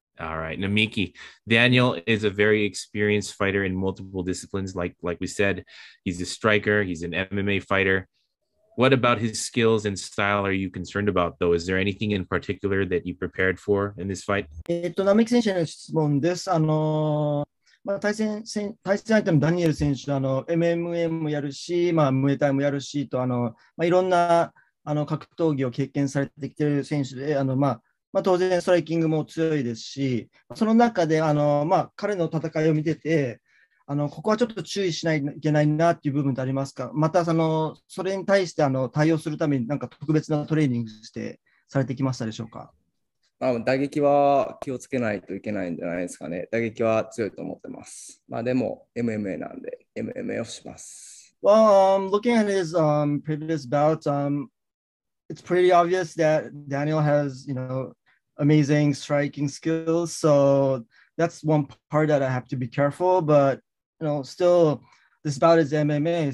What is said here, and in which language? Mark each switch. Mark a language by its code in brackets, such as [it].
[en] All right, Namiki, Daniel is a very experienced fighter in multiple disciplines. Like we said, he's a striker, he's an MMA fighter. What about his skills and style are you concerned about, though? Is there anything in particular that you prepared for in this fight? [ja] Namiki 選手の質問です。対戦相手のダニエル選手、MMA もやるし、ムエタイもやるしと、いろんな格闘技を経験されてきてる選手で、当然ストライキングも強いですし、その中で彼の戦いを見てて、ここはちょっと注意しないといけないなっていう部分ってありますか？またそれに対して対応するために何か特別なトレーニングしてされてきましたでしょうか？打撃は気をつけないといけないんじゃないですかね。打撃は強いと思ってます。でも MMA なんで MMA をします。 [en] Well, looking at his previous bouts, it's pretty obvious that Daniel has, you know, amazing striking skills. So that's one part that I have to be careful. But, you know, still, this bout is MMA.